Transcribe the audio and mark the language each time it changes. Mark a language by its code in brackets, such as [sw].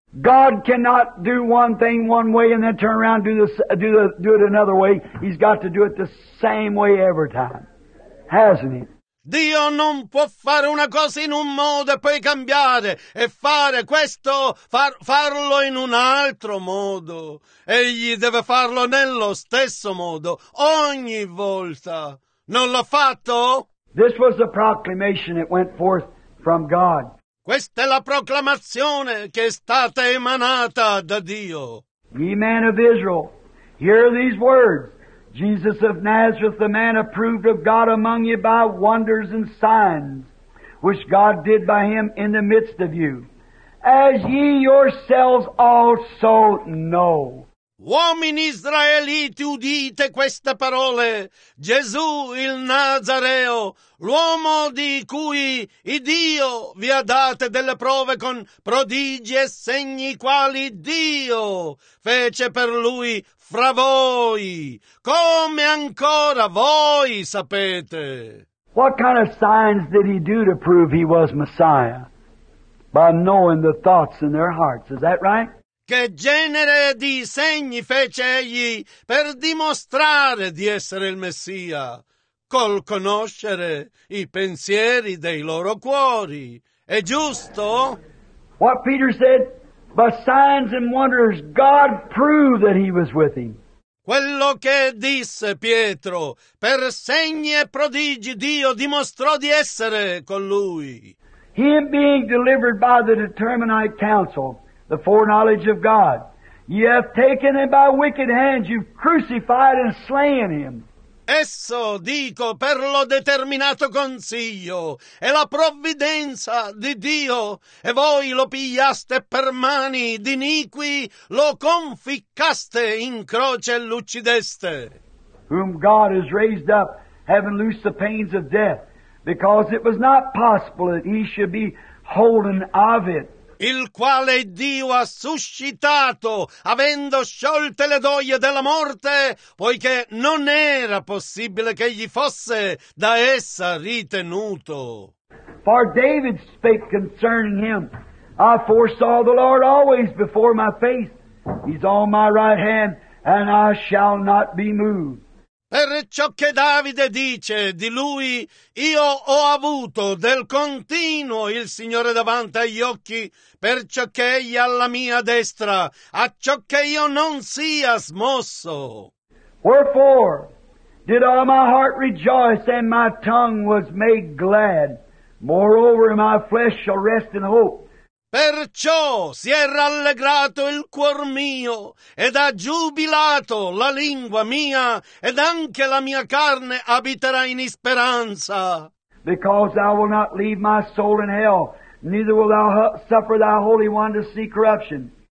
[en] God cannot do one thing one way and then turn around and do it another way. He's got to do it the same way every time, hasn't he? [it] Dio non può fare una cosa in un modo e poi cambiare e fare questo, farlo in un altro modo. Egli deve farlo nello stesso modo, ogni volta. Non l'ha fatto? [en] This was the proclamation that went forth from God. [it] Questa è la proclamazione che è stata emanata da Dio. [en] Ye men of Israel, hear these words. Jesus of Nazareth, the man approved of God among you by wonders and signs, which God did by him in the midst of you, as ye yourselves also know. [it] Uomini israeliti, udite queste parole. Gesù il Nazareo, l'uomo di cui il Dio vi ha date delle prove con prodigi e segni quali Dio fece per lui fra voi, come ancora voi sapete. [en] What kind of signs did he do to prove he was Messiah? By knowing the thoughts in their hearts, is that right? [it] Che genere di segni fece egli per dimostrare di essere il Messia? Col conoscere i pensieri dei loro cuori. È giusto? [en] What Peter said, by signs and wonders, God proved that he was with him. [it] Quello che disse Pietro, per segni e prodigi Dio dimostrò di essere con lui. [en] Him being delivered by the determinate counsel, the foreknowledge of God, ye have taken him by wicked hands, you've crucified and slain him. [it] Esso, dico, per lo determinato consiglio e la provvidenza di Dio, e voi lo pigliaste per mani di iniqui, lo conficcaste in croce e l'uccideste. [en] Whom God has raised up, having loosed the pains of death, because it was not possible that he should be holden of it. [it] Il quale Dio ha suscitato, avendo sciolte le doglie della morte, poiché non era possibile che gli fosse da essa ritenuto. [en] For David spake concerning him, I foresaw the Lord always before my face. He's on my right hand, and I shall not be moved. [it] Per ciò che Davide dice di lui, io ho avuto del continuo il Signore davanti agli occhi, per ciò che egli alla mia destra, a ciò che io non sia smosso. [en] Wherefore did all my heart rejoice, and my tongue was made glad. Moreover, my flesh shall rest in hope. [it] Perciò si è rallegrato il cuor mio, ed ha giubilato la lingua mia, ed anche la mia carne abiterà in speranza. [en] Because thou wilt not leave my soul in hell, neither wilt thou suffer thy holy one to see corruption.